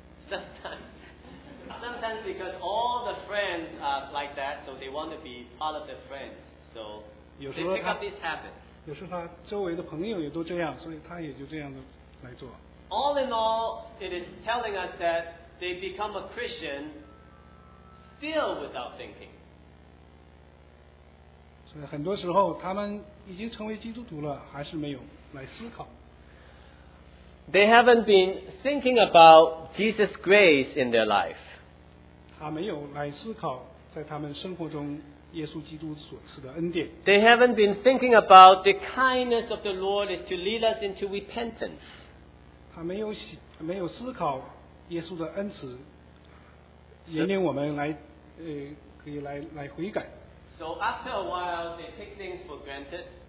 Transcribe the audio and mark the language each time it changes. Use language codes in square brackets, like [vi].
[en] Sometimes because all the friends are like that, so they want to be part of the friends, so they pick up these habits. [zh] 有时候他周围的朋友也都这样，所以他也就这样的来做。 [en] All in all, it is telling us that they become a Christian still without thinking. [zh] 所以很多时候他们已经成为基督徒了还是没有来思考。 [en] They haven't been thinking about Jesus' grace in their life. [zh] 他没有来思考在他们生活中耶稣基督所赐的恩典。 [en] They haven't been thinking about the kindness of the Lord to lead us into repentance. [zh] 他没有思考耶稣的恩慈引领我们来可以来悔改。 [en] So after a while, they take things for granted.